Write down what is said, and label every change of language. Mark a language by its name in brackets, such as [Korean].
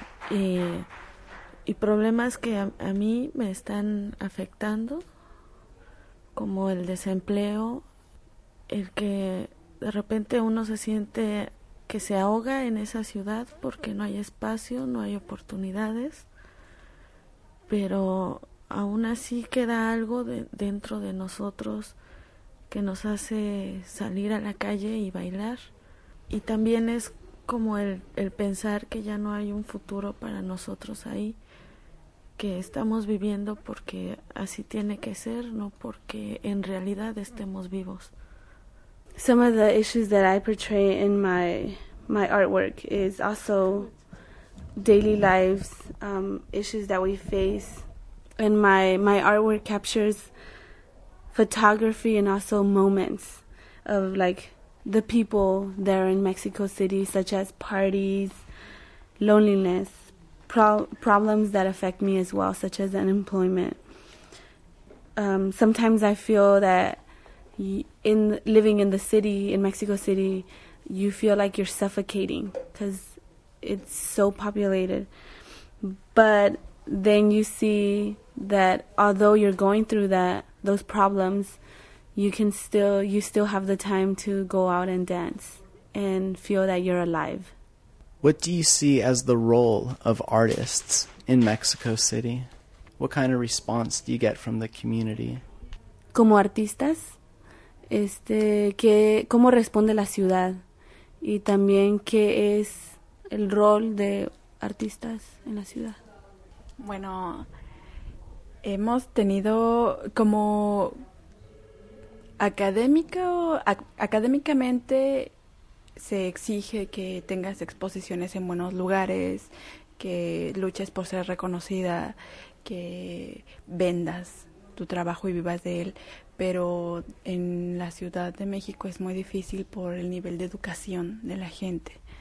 [Spanish] y problemas que a mí me están afectando, como el desempleo, el que de repente uno se siente que se ahoga en esa ciudad porque no hay espacio, no hay oportunidades, pero aún así queda algo dentro de nosotros que nos hace salir a la calle y bailar. Y también es como el pensar que ya no hay un futuro para nosotros ahí, que estamos viviendo porque así tiene que ser, no porque en realidad estemos vivos. [English] Some of the issues that I portray in my artwork is also daily lives, issues that we face. And my artwork captures photography and also moments of like the people there in Mexico City, such as parties, loneliness, problems that affect me as well, such as unemployment. Sometimes I feel that in living in the city, in Mexico City, you feel like you're suffocating because it's so populated. But then you see that although you're going through that, those problems, you still have the time to go out and dance and feel that you're alive. What do you see as the role of artists in Mexico City? What kind of response do you get from the community? [Spanish] Como artistas, que cómo responde la ciudad y también qué es el rol de artistas en la ciudad. Bueno, hemos tenido como académicamente se exige que tengas exposiciones en buenos lugares, que luches por ser reconocida, que vendas tu trabajo y vivas de él, pero en la Ciudad de México es muy difícil por el nivel de educación de la gente.